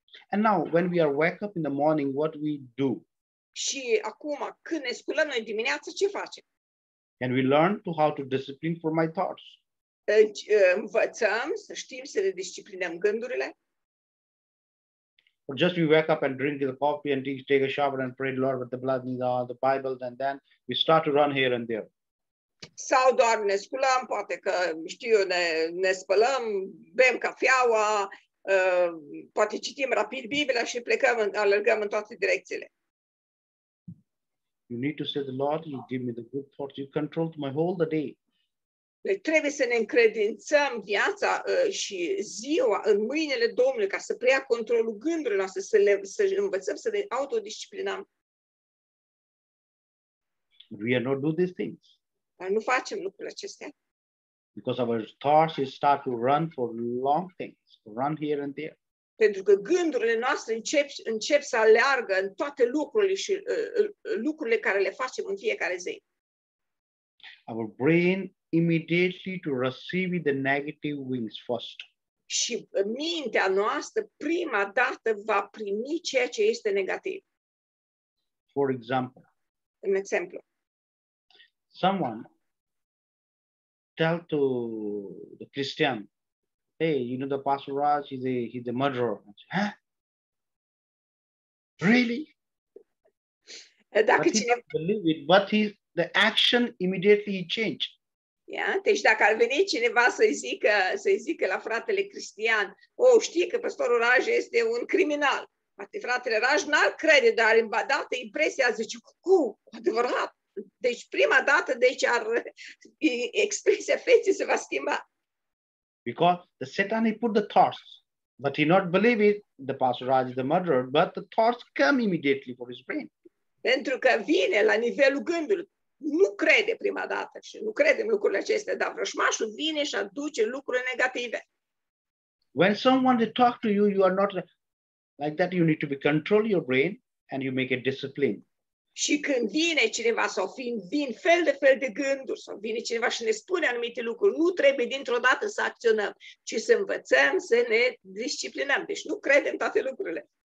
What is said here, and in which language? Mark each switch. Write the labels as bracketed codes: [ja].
[en] And now, when we are wake up in the morning, what we do? [ro] Și acum, când ne sculăm noi dimineața, ce facem? [en] Can we learn to how to discipline for my thoughts? [ro] Învățăm să știm să ne disciplinăm gândurile? [en] Or just we wake up and drink the coffee and take a shower and pray the Lord with the blood in the Bible and then we start to run here and there. [ro] Sau doar ne sculăm, poate că, știu, ne spălăm, bem cafeaua, poate citim rapid Biblia și plecăm, alergăm în toate direcțiile. [en] You need to say the Lord, you give me the good thoughts, you control my whole the day. [ro] Trebuie să ne încredințăm viața și ziua în mâinile Domnului ca să preia controlul gândurilor noastre, să învățăm să ne autodisciplinăm. [en] We are not do these things. [ro] Dar nu facem lucrurile acestea. [en] Because our thoughts start to run for long things, run here and there. [ro] Pentru că gândurile noastre încep să aleargă în toate lucrurile și lucrurile care le facem în fiecare zi. [en] Our brain immediately to receive the negative wings first. [ro] Și mintea noastră prima dată va primi ceea ce este negativ. [en] For example. [ro] Un exemplu. [en] Someone tell to the Christian, hey, you know the Pastor Raj, he's a murderer. Said, huh? Really? [ro] Dacă [en] but he didn't believe it, but the action immediately changed. Yeah, [ro] deci dacă ar veni cineva să-i zică la fratele Cristian, oh, știi că pastorul Raj este un criminal. Poate fratele Raj n-ar crede, dar în dată impresia zice, cu adevărat. Deci prima dată, deci expresia feței se va schimba. [en] Because the Satan, he put the thoughts, but he not believe it, the pastor Raj is the murderer, but the thoughts come immediately for his brain. [ro] Pentru că vine la nivelul gândului. Nu crede prima dată și nu credem lucrurile acestea, dar vrășmașul vine și aduce lucruri negative. [en] When someone they talk to you, you are not like that, you need to be control your brain and you make a discipline. [ro] Și când vine cineva sau vin fel de fel de gânduri sau vine cineva și ne spune anumite lucruri, nu trebuie dintr-o dată să acționăm, ci să învățăm, să ne disciplinăm. Deci nu credem toate lucrurile.